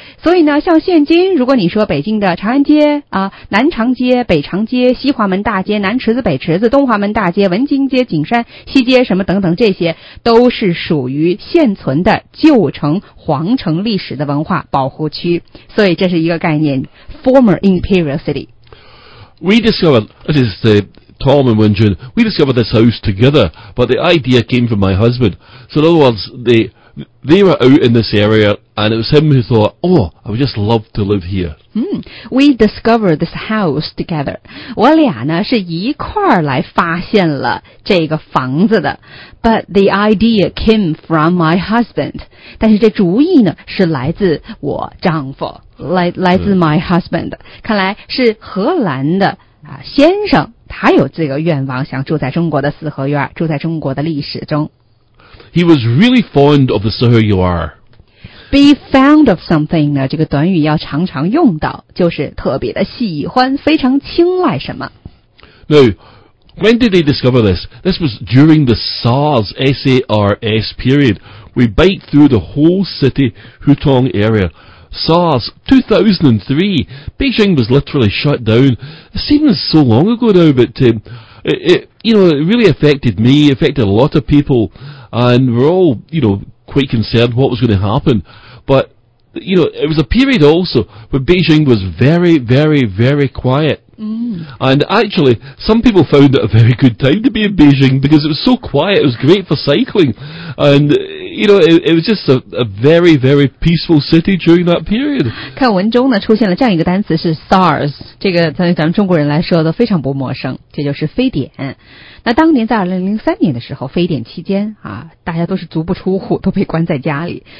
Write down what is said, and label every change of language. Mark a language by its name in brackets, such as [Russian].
[Chinese] 所以呢，像现今如果你说北京的长安街啊、南长街、北长街、西华门大街、南池子、北池子、东华门大街、文津街、景山西街什么等等，这些都是属于现存的旧城皇城历史的文化保护区。所以这是一个概念 ， [English] former imperial city。 We discovered, this is Tom and Wenjun, we discovered this house together, but the idea came from my husband. So in other words, they were out in this area, and it was him who thought, oh, I would just love to live here. We discovered this house together. [Chinese] 我俩呢是一块儿来发现了这个房子的。 [English] But the idea came from my husband. [Chinese] 但是这主意呢是来自我丈夫。来自 [English] my husband, [Chinese] 看来是荷兰的啊先生，他有这个愿望，想住在中国的四合院，住在中国的历史中。 [English] He was really fond of the 四合院。 Be fond of something 呢？ [Chinese] 这个短语要常常用到，就是特别的喜欢，非常青睐什么。 [English] No. When did they discover this? This was during the SARS, S-A-R-S period. We biked through the whole city, Hutong area. SARS, 2003. Beijing was literally shut down. It seems so long ago now, but it really affected me, affected a lot of people, and we're all, quite concerned what was going to happen. But you know, it was a period also when Beijing was very, very, very quiet. Mm. And actually, some people found it a very good time to be in Beijing because it was so quiet, it was great for cycling. And, you know, it was just a very, very peaceful city during that period. [Chinese] 看文中呢，出现了这样一个单词是 SARS， 这个对咱们中国人来说都非常不陌生，这就是非典。那当年在2003年的时候，非典期间啊，大家都是足不出户，都被关在家里。